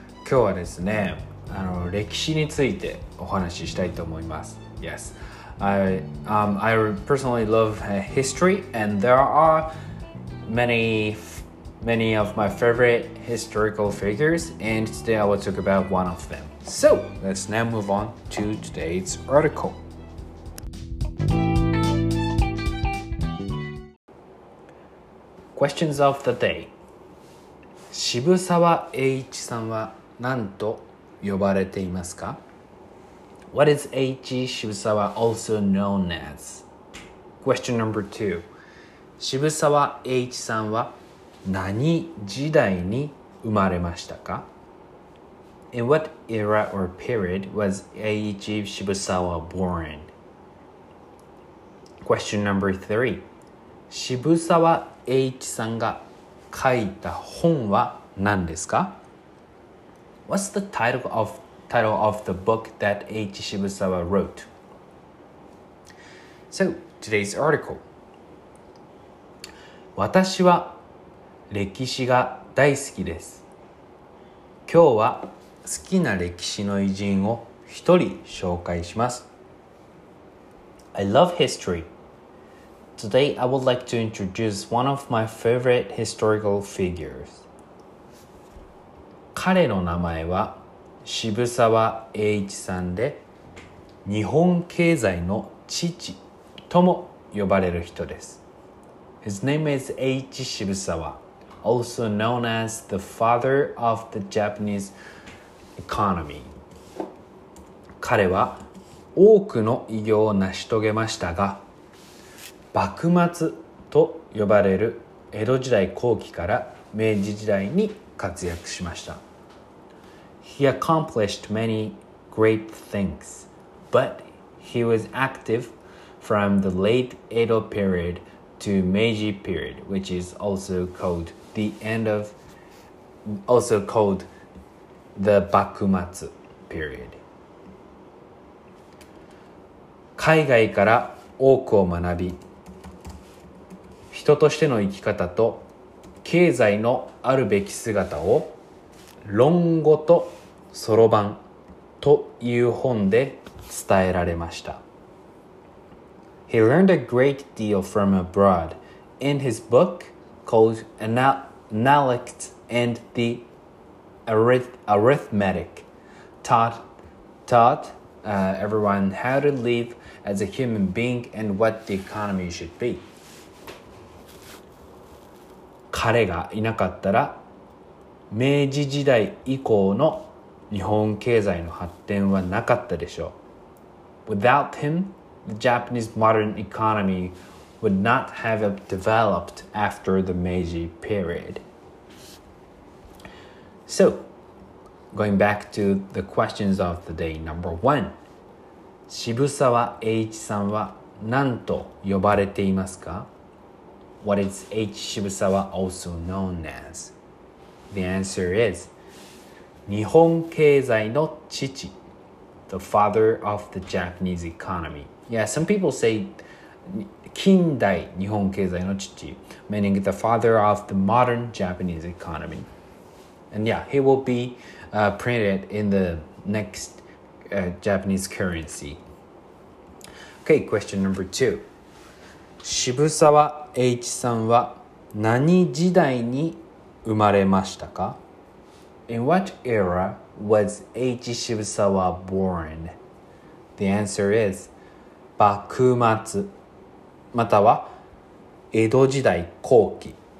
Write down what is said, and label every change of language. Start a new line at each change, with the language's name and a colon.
Japanese: 今日はですね、歴史についてお話ししたいと思います。
English: Yes, I personally love history, and there are many of my favorite historical figures, and today I will talk about one of them. So, let's now move on to today's article. Questions of the day.
Japanese: 渋沢栄一さんは何と呼ばれていますか?
English: What is H. 渋沢 also known as? Question number two.
Japanese: 渋沢栄一さんは何時代に生まれましたか?
English: In what era or period was Eiichi Shibusawa born? Question number three.
Japanese: 渋沢栄一さんが書いた本は何ですか?
English: What's the title of the book that Eiichi Shibusawa wrote? So, today's article.
Japanese: 私は歴史が大好きです。今日は好きな歴史の偉人を一人紹介します。
English: I love history. Today I would like to introduce one of my favorite historical figures.
Japanese: 彼の名前は渋沢栄一さんで、日本経済の父とも呼ばれる人です。
English: His name is Eiichi Shibusawa. Also known as the father of the Japanese economy.
Japanese: 彼は多くの偉業を成し遂げましたが、幕末と呼ばれる江戸時代後期から明治時代に活躍しました。
English: He accomplished many great things, but he was active from the late Edo period to Meiji period, which is also calledThe end of, also called the Bakumatsu period.
Japanese: 海外から多くを学び、人としての生き方と経済のあるべき姿を論語とそろばんという本で伝えられました。
English: He learned a great deal from abroad in his book called Analect and the Arithmetic taught everyone how to live as a human being and what the economy should be.
Japanese: 彼がいなかったら、明治時代以降の日本経済の発展はなかったでしょう。
English: Without him, the Japanese modern economy would not have developed after the Meiji period. So, going back to the questions of the day, number one.
Japanese: 渋沢栄一さんは何と呼ばれていますか?
English: What is H. 渋沢 also known as? The answer is,
Japanese: 日本経済の父
English: The father of the Japanese economy. Yeah, some people say
Japanese: 近代日本経済の父
English: meaning the father of the modern Japanese economy. And yeah, he will be printed in the next Japanese currency. Okay, question number two.
Japanese: 渋沢栄一さんは何時代に生まれましたか?
English: In what era was Eiichi Shibusawa born? The answer is
Japanese: 幕末または江戸時代後期